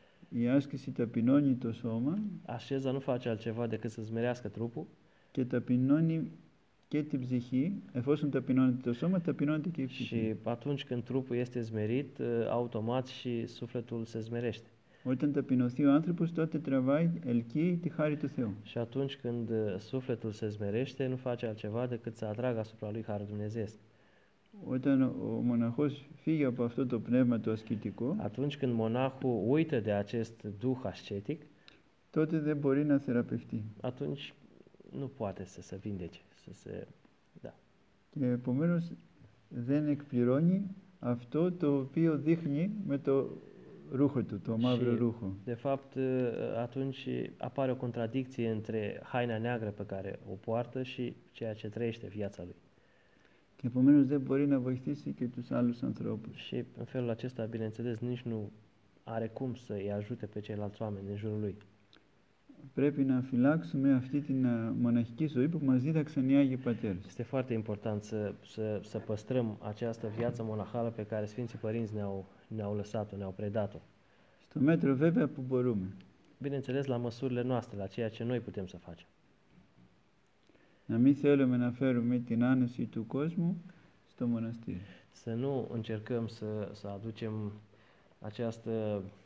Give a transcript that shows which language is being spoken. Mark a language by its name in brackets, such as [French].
[Greek] Η άσκηση ταπεινώνει το σώμα. [Romanian] Asceza nu face altceva decât să smerească trupul. [Greek] Και ταπεινώνει και την ψυχή, εφόσον ταπεινώνεται το σώμα, ταπεινώνεται και η ψυχή. [Romanian] Și atunci când trupul este zmerit, automat și sufletul se zmerește. [Greek] Όταν ταπεινωθεί ο άνθρωπος, τότε τραβάει, ελκύει τη χάρη του Θεού. [Romanian] Și atunci când sufletul se zmerește, nu face altceva decât să atragă asupra lui Harul Dumnezeiesc. [Greek] Όταν ο μοναχός φύγει από αυτό το πνεύμα το ασκητικό, [Romanian] atunci când μονάχου uită de acest duh ascetic, [Greek] τότε δεν μπορεί να θεραπευτεί. [Romanian] Atunci nu poate să se vindece. Da. [Greek] Και επομένως δεν εκπληρώνει αυτό το οποίο δείχνει με το ρούχο του, το μαύρο ρούχο. [Romanian] De fapt, atunci apare o contradicție între haina neagră pe care o poartă și ceea ce trăiește viața lui. [Greek] Και επομένως δεν μπορεί να βοηθήσει και τους άλλους ανθρώπους. [Romanian] Și în felul acesta, bineînțeles, nici nu are cum să îi ajute pe ceilalți oameni din jurul lui. [Greek] Πρέπει να φυλάξουμε αυτή την μοναχική ζωή που μας δίδαξαν οι Άγιοι Πατέρες. [Romanian] Este foarte important să păstrăm această viață monahală pe care Sfinții Părinți ne-au lăsat-o, ne-au predat-o. [Greek] Στο μέτρο βέβαια που μπορούμε. [Romanian] Bineînțeles, la măsurile noastre, la ceea ce noi putem să facem. [Greek] Να μην θέλουμε να φέρουμε την άνεση του κόσμου στο μοναστήρι. [Romanian] Să nu încercăm să aducem această